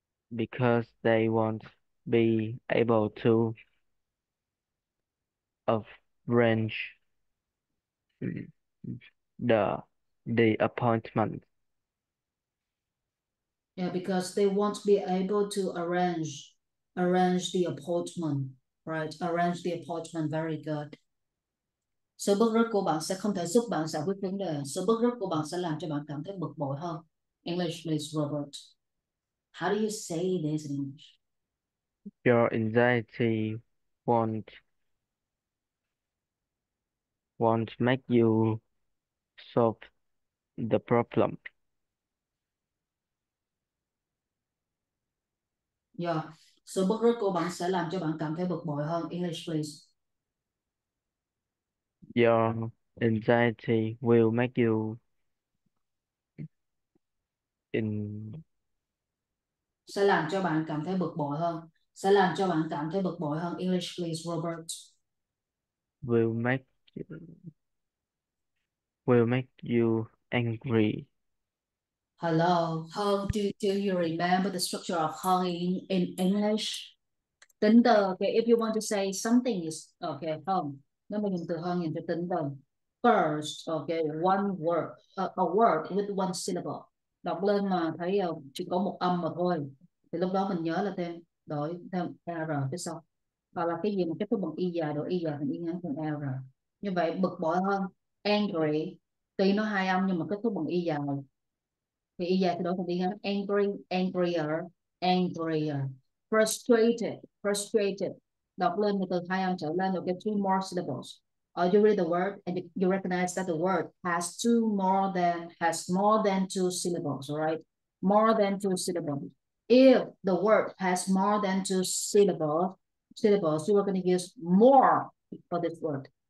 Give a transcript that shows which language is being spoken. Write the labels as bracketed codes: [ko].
[en] Because they won't be able to arrange the appointment. Yeah, because they won't be able to arrange the appointment, right? Arrange the appointment, very good. [vi] Sự bức rứt của bạn sẽ không thể giúp bạn giải quyết vấn đề. Sự bức rứt của bạn sẽ làm cho bạn cảm thấy bực bội hơn. [en] English, please, Robert. How do you say this in English? Your anxiety won't make you solve the problem. Yeah. [vi] Sự bức rứt của bạn sẽ làm cho bạn cảm thấy bực bội hơn. [en] English, please. Your anxiety will make you in [vi] Sẽ làm cho bạn cảm thấy bực bội hơn. Sẽ làm cho bạn cảm thấy bực bội hơn. [en] English, please, Robert. will make you angry. Hello, how do you remember the structure of hơn in English? [vi] Tính từ, [en] okay, if you want to say something is okay, hơn. [vi] Nếu mình dùng từ hơn thì tính từ. [en] First, okay, one word, a word with one syllable. [vi] Đọc lên mà thấy chỉ có một âm mà thôi. Thì lúc đó mình nhớ là thêm, đổi thêm R phía sau. Hoặc là cái gì mà kết thúc bằng Y dài, đổi Y dài thành Y ngắn thành R. Như vậy bực bội hơn. Angry, tuy nó hai âm nhưng mà kết thúc bằng Y dài. Thì Y dài thì đổi thành Y ngắn. [en] Angry, angrier, angrier. Frustrated, frustrated. [vi] Đọc lên từ hai âm trở lên, [en] you'll get two more syllables. Or you read the word and you recognize that the word has more than two syllables, right? More than two syllables. If the word has more than two syllables, you are going to use more for this word.